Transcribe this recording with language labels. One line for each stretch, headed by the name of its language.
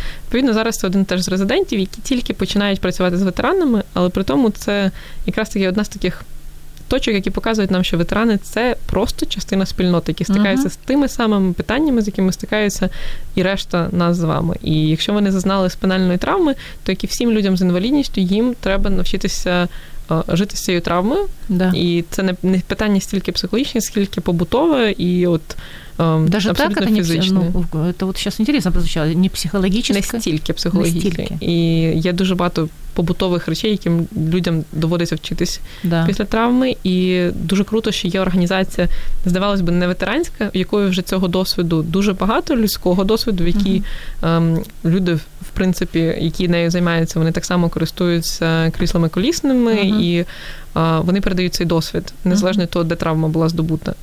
Ukrainian: Відповідно, зараз це один теж з резидентів, які тільки починають працювати з ветеранами, але при тому це якраз таки одна з таких точок, які показують нам, що ветерани – це просто частина спільноти, які стикаються з тими самими питаннями, з якими стикаються і решта нас з вами. І якщо вони зазнали спинальної травми, то, як і всім людям з інвалідністю, їм треба навчитися жити з цією травмою.
Russian: Да.
Ukrainian: І це не питання стільки психологічне, скільки побутове і от
Russian: даже так, это не фізично. Ну, это вот сейчас интересно прозвучало, не психологическое.
Ukrainian: Не стільки психологічне. І є дуже багато побутових речей, яким людям доводиться вчитись після травми. І дуже круто, що є організація, здавалось би, не ветеранська, в якої вже цього досвіду дуже багато, людського досвіду, в якій люди, в принципі, які нею займаються, вони так само користуються кріслами колісними, і вони передають цей досвід, незалежно від того, де травма була здобута.